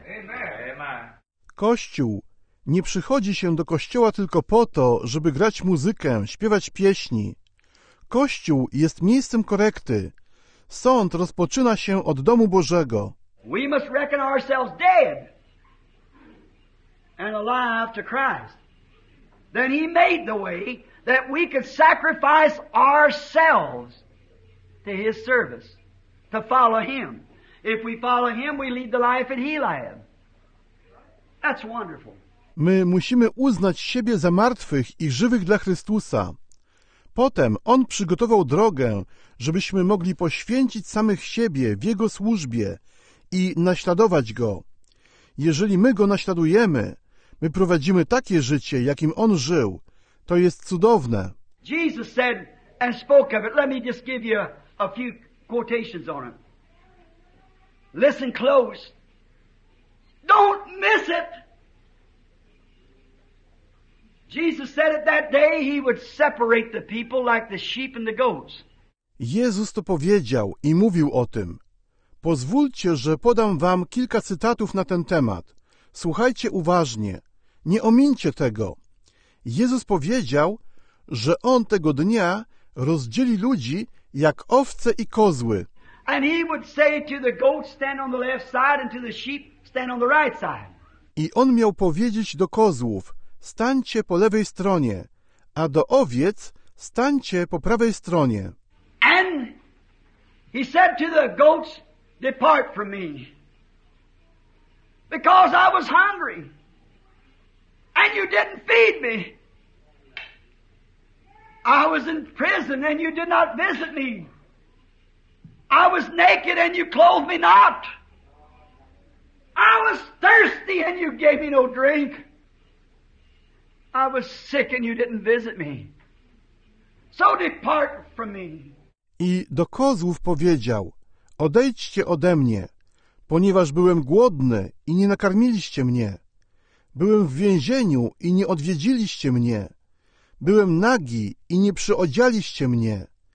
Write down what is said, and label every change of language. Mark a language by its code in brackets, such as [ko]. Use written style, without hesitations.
[en] Amen. [pl] Kościół nie przychodzi się do kościoła tylko po to, żeby grać muzykę, śpiewać pieśni. Kościół jest miejscem korekty. Sąd rozpoczyna się od domu Bożego. [en] We must reckon ourselves dead and alive to Christ. Then he made the way that we could sacrifice ourselves to his service, to follow him. If we follow him, we lead the life that he led. That's wonderful. [pl] My musimy uznać siebie za martwych i żywych dla Chrystusa. Potem on przygotował drogę, żebyśmy mogli poświęcić samych siebie w jego służbie i naśladować go. Jeżeli my go naśladujemy, my prowadzimy takie życie, jakim on żył. To jest cudowne. [en] Jesus said and spoke of it. Let me just give you a few quotations on it. Listen close. Don't miss it. Jesus said it that day he would separate the people like the sheep and the goats. [pl] Jezus to powiedział i mówił o tym. Pozwólcie, że podam wam kilka cytatów na ten temat. Słuchajcie uważnie. Nie omińcie tego. Jezus powiedział, że on tego dnia rozdzieli ludzi jak owce i kozły. [en] And he would say to the goats, stand on the left side, and to the sheep, stand on the right side. [pl] I on miał powiedzieć do kozłów, stańcie po lewej stronie, a do owiec, stańcie po prawej stronie. [en] And he said to the goats, depart from me, because I was hungry, and you didn't feed me. I was in prison and you did not visit me. I was naked and you clothed me not. I was thirsty and you gave me no drink. I was sick and you didn't visit me. So depart from me. [pl] I do kozłów powiedział, odejdźcie ode mnie, ponieważ byłem głodny i nie nakarmiliście mnie. Byłem w więzieniu i nie odwiedziliście mnie. Byłem nagi i nie przyodzialiście mnie.